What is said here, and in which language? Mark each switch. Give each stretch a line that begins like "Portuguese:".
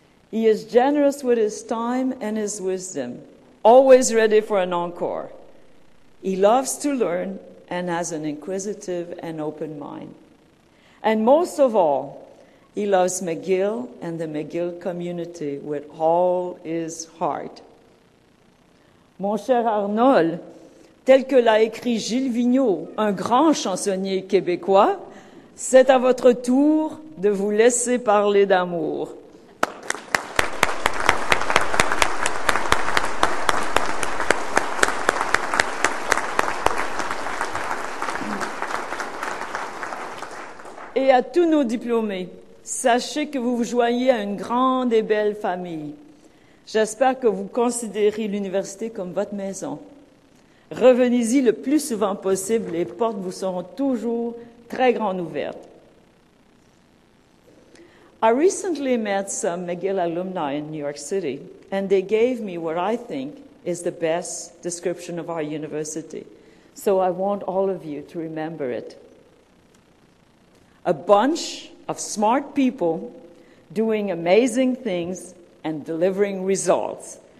English: He is generous with his time and his wisdom, always ready for an encore. He loves to learn and has an inquisitive and open mind. And most of all, he loves McGill and the McGill community with all his heart.
French: Mon cher Arnold, tel que l'a écrit Gilles Vigneault, un grand chansonnier québécois, c'est à votre tour de vous laisser parler d'amour. Et à tous nos diplômés, sachez que vous vous joignez à une grande et belle famille. J'espère que vous considérez l'université comme votre maison. Revenez-y le plus souvent possible, les portes vous seront toujours très grandes ouvertes.
English: I recently met some McGill alumni in New York City, and they gave me what I think is the best description of our university. So I want all of you to remember it. A bunch of smart people doing amazing things and delivering results.